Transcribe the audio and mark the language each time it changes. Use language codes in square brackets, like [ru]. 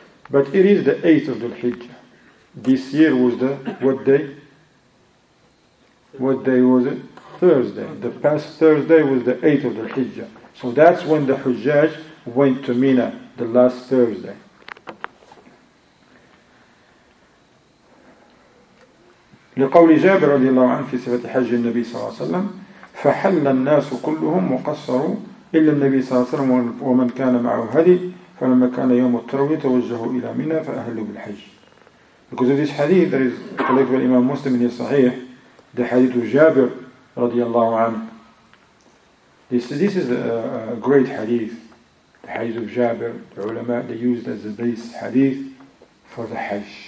[en] But it is the 8th of Dhul Hijjah. This year was the what day was it? Thursday. The past Thursday was the 8th of Dhul Hijjah. So that's when the Hijjaj went to Mina, the last Thursday. [ar] لقول جابر رضي الله عنه في صفة حج النبي صلى الله عليه وسلم فحل الناس كلهم وقصروا إلا النبي صلى الله عليه وسلم ومن كان معه هدي فلما كان يوم التروية توجهوا إلى منى فأهلوا بالحج. [en] Because of this hadith, there is collected by Imam Muslim in his Sahih, the hadith of Jabir [ar] رضي الله عنه. [en] This is a great hadith. The hadith of Jabir, the ulama, they used as a base hadith for the hajj.